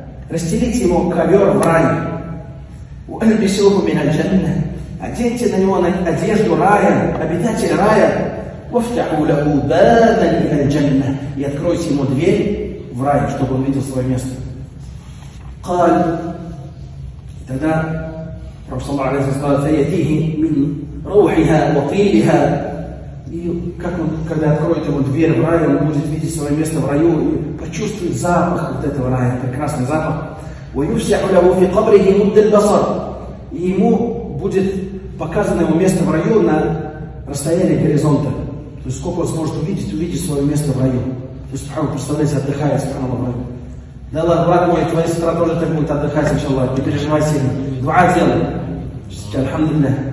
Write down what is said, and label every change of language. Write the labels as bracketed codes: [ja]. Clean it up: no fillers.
[ru] Расстелите ему ковер в рай. [ar] وَأَلْبِسُوهُ مِنَ الْجَنَّةِ. [ru] Оденьте на него одежду рая, обитатель рая. [ar] وَفْتَحُوا لَهُ بَابًا مِنَ الْجَنَّةِ. [ru] И откройте ему дверь в рай, чтобы он видел свое место. [ar] قال تدا رب صلى الله عليه وسلم قال فيأتيه من روحها وطيلها. [ru] Как он, когда откроет ему дверь в рай, он будет видеть свое место в раю и почувствует запах вот этого рая, прекрасный запах. [ar] ويفسح له في قبره مد البصر. [ru] И ему будет показано его место в раю на расстоянии горизонта. То есть сколько он сможет увидеть свое место в раю. То есть Субхану, представляете, отдыхает Субхану в раю. Да ладно, брат мой, твоя сестра тоже так будет отдыхать, иншаллах, не переживай сильно. Два дела. Альхамдулиллях.